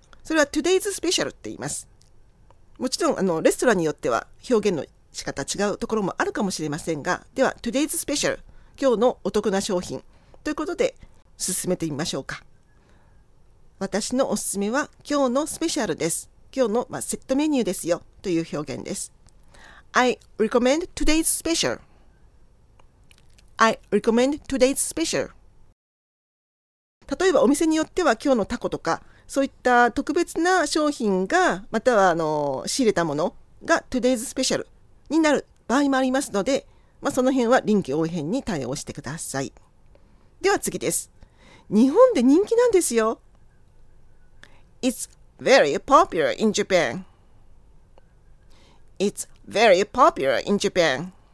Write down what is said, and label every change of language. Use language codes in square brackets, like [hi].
[ja] それは Today's Special って言います。もちろん、レストランによっては表現の仕方違うところもあるかもしれませんが、では、Today's Special。今日のお得な商品ということで進めてみましょうか。私のおすすめは今日のスペシャルです。今日の、まあ、セットメニューですよという表現です。 [en] I recommend today's special. I recommend today's special. [ja] 例えばお店によっては今日のタコとかそういった特別な商品がまたは仕入れたものが today's special になる場合もありますので、まあ、その辺は臨機応変に対応してください。では次です。日本で人気なんですよ。 [en] It's very popular in Japan. It's very popular in Japan.